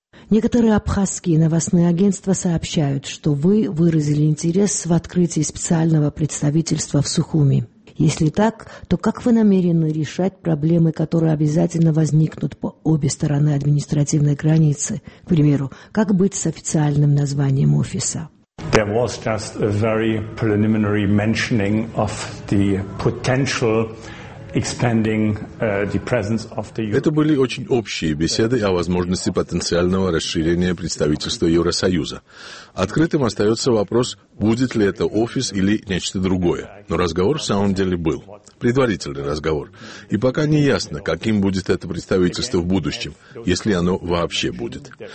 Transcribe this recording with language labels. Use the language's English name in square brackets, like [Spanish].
[Russian] Некоторые абхазские новостные агентства сообщают, что вы выразили интерес в открытии специального представительства в Сухуми. Если так, то как вы намерены решать проблемы, которые обязательно возникнут по обе стороны административной границы? К примеру, как быть с официальным названием офиса? [English] There was just a very preliminary mentioning of the potential expanding the presence of the [Russian] Это были очень общие беседы о возможности потенциального расширения представительства Евросоюза. Открытым остается вопрос, будет ли это офис или нечто другое. Но разговор в самом деле был. Предварительный разговор. И пока не ясно, каким будет это представительство в будущем, если оно вообще будет.